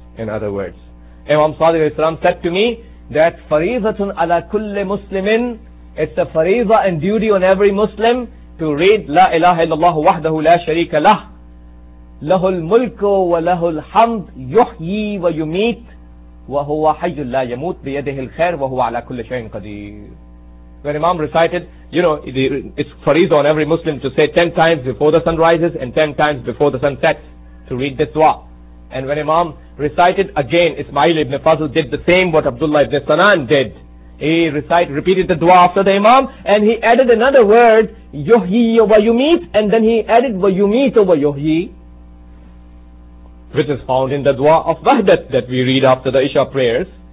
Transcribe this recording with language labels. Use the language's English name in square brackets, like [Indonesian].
[English] In other words, Imam Sadiq alayhi salam said to me that [Arabic] فَرِيضَةٌ عَلَى كُلِّ مُسْلِمٍ. [English] It's a fariza and duty on every Muslim to read [Arabic] لا إله إلا الله وحده لا شريك له له الملك وله الحمد يحيي ويميت وهو حي لا يموت بيده الخير وهو على كل شيء قدير. [English] When Imam recited, you know, it's fariza on every Muslim to say 10 times before the sun rises and 10 times before the sun sets to read this dua. And when Imam recited again, Ismail ibn Fazl did the same what Abdullah ibn Sanan did. He repeated the dua after the Imam, and he added another word, [Arabic] yuhyi wa yumit, [English] and then he added [Arabic] wa yumit wa yuhyi, [English] which is found in the dua of Wahdat that we read after the Isha prayers.